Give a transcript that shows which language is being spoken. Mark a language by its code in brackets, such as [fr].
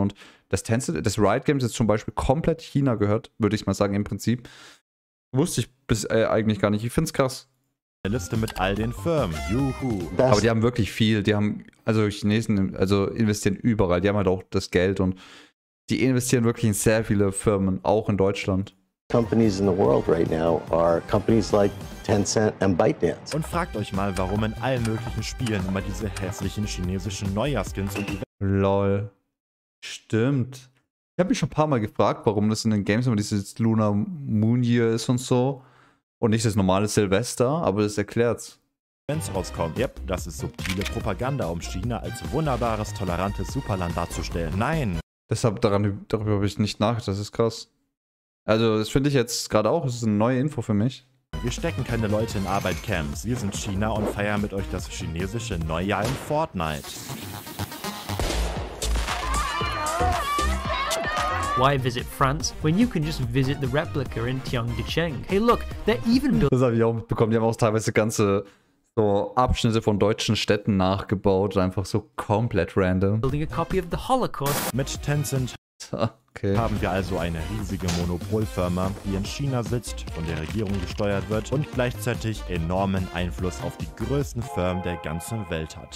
[de] Und das Tencent, das Riot Games jetzt zum Beispiel komplett China gehört, würde ich mal sagen, im Prinzip, wusste ich eigentlich gar nicht. Ich find's krass. Eine Liste mit all den Firmen, juhu. Das. Aber die haben wirklich viel, die haben, also Chinesen, also investieren überall, die haben halt auch das Geld und die investieren wirklich in sehr viele Firmen, auch in Deutschland. [en] Companies in the world right now are companies like Tencent and ByteDance. [de] Und fragt euch mal, warum in allen möglichen Spielen immer diese hässlichen chinesischen Neujahrskins und die. Lol. Stimmt. Ich habe mich schon ein paar Mal gefragt, warum das in den Games immer dieses Lunar Moon Year ist und so. Und nicht das normale Silvester, aber das erklärt's. Wenn's rauskommt, yep, das ist subtile Propaganda, um China als wunderbares, tolerantes Superland darzustellen. Nein! Deshalb, darüber habe ich nicht nachgedacht, das ist krass. Also, das finde ich jetzt gerade auch, das ist eine neue Info für mich. Wir stecken keine Leute in Arbeitcamps. Wir sind China und feiern mit euch das chinesische Neujahr in Fortnite. [en] Why visit France when you can just visit the replica in Tiangdecheng? Hey look, they're even [de] built. Das habe ich auch mitbekommen. Die haben auch teilweise ganze so Abschnitte von deutschen Städten nachgebaut. Einfach so komplett random. [en] Building a copy of the Holocaust. [de] Mit Tencent. Okay. Haben wir also eine riesige Monopolfirma, die in China sitzt, von der Regierung gesteuert wird und gleichzeitig enormen Einfluss auf die größten Firmen der ganzen Welt hat.